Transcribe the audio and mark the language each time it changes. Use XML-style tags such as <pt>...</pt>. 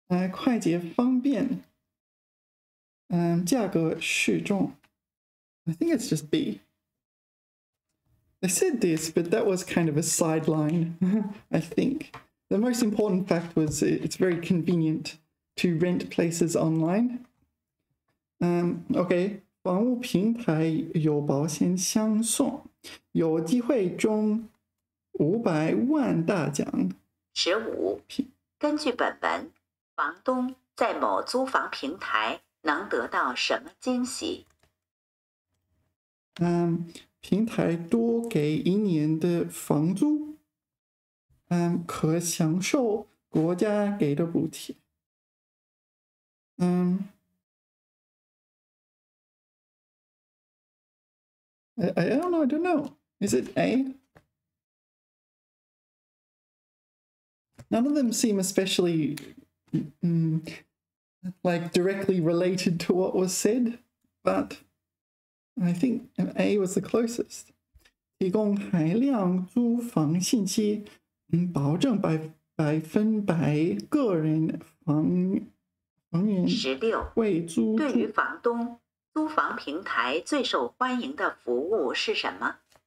<zh>快捷方便，价格适中。</zh> <en>I think it's just B. I said this, but that was kind of a sideline, I think. The most important fact was it's very convenient to rent places online.</en> <zh>Okay, 房屋平台有保险相送，有机会中500万大奖。 15，根据本文，房东在某租房平台能得到什么惊喜？平台多给一年的房租，可享受国家给的补贴。</zh> <en>I don't know, I don't know. Is it A? None of them seem especially, like, directly related to what was said, but I think A was the closest.</en> <zh>提供海量租房信息，保证100%个人房源。 16，为租对于房东，租房平台最受欢迎的服务是什么？</zh>